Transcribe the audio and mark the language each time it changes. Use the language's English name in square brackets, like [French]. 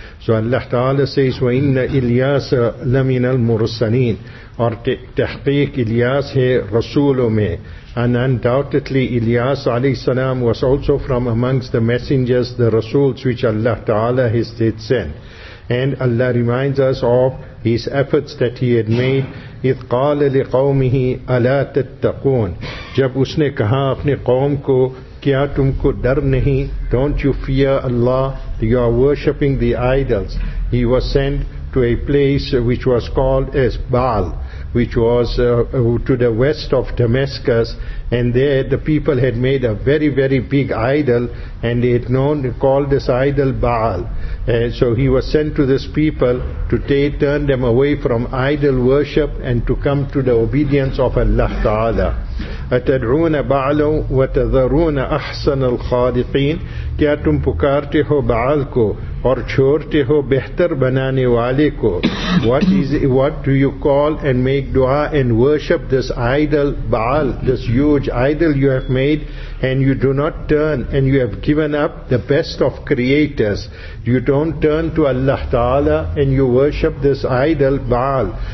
[English] So Allah Ta'ala says, [Arabic] wa inna Ilyas lamin al mursaleen, [Urdu] or tahqiq Ilyas he rasulume, [English] and undoubtedly Ilyas alayhi salam was also from amongst the messengers, the rasuls which Allah Ta'ala has did send. And Allah reminds us of his efforts that he had made. [Arabic] إِذْ قَالَ لِقَوْمِهِ أَلَا تَتَّقُونَ. [Urdu] جب اس نے کہا اپنے قوم کو کیا تم کو ڈر نہیں. [English] Don't you fear Allah? You are worshipping the idols. He was sent to a place which was called as Baal, which was to the west of Damascus, and there the people had made a very, very big idol, and they had known, called this idol Baal. So he was sent to this people to turn them away from idol worship and to come to the obedience of Allah Ta'ala. [Arabic] أَتَدْعُونَ بَعْلًا وَتَذَرُونَ أَحْسَنَ الْخَالِقِينَ. [Urdu] کیا تم پکارتے ہو بعل کو اور چھوڑتے ہو بہتر بنانے والے کو. [English] What do you call and make dua and worship this idol Baal, this huge idol you have made, and you do not turn and you have given up the best of creators? You don't turn to Allah Ta'ala and you worship this idol Baal.